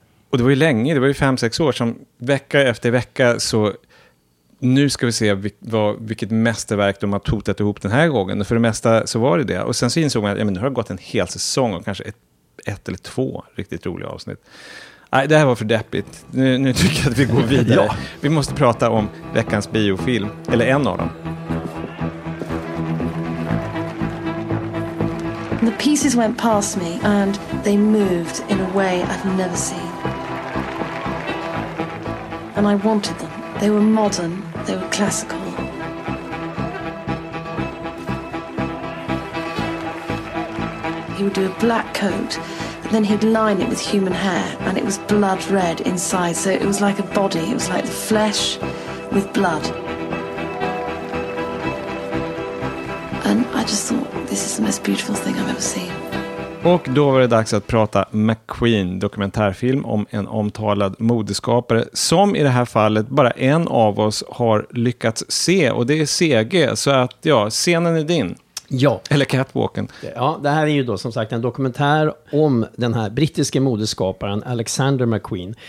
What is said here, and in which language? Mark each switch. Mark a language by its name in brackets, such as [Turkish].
[Swedish] Och det var ju länge, det var ju 5-6 år som vecka efter vecka, så nu ska vi se vilket mästerverk de har totat ihop den här gången. Och för det mesta så var det det. Och sen så insåg man att ja, men nu har det gått en hel säsong och kanske ett eller två riktigt roliga avsnitt. Nej, det här var för deppigt. Nu tycker jag att vi går vidare. Ja. Vi måste prata om veckans biofilm, eller en av dem. [English] The pieces went past me and they moved in a way I've never seen. And I wanted them. They were modern. They were classical. He would do a black coat, and then he'd line it with human hair, and it was blood red inside. So it was like a body. It was like the flesh with blood. And I just thought, this is the most beautiful thing I've ever seen. [Swedish] Och då var det dags att prata McQueen, dokumentärfilm om en omtalad modeskapare som i det här fallet bara en av oss har lyckats se, och det är CG, så att ja, scenen är din. Ja. Eller catwalken. Ja, det här är ju då som sagt en dokumentär om den här brittiske modeskaparen Alexander McQueen.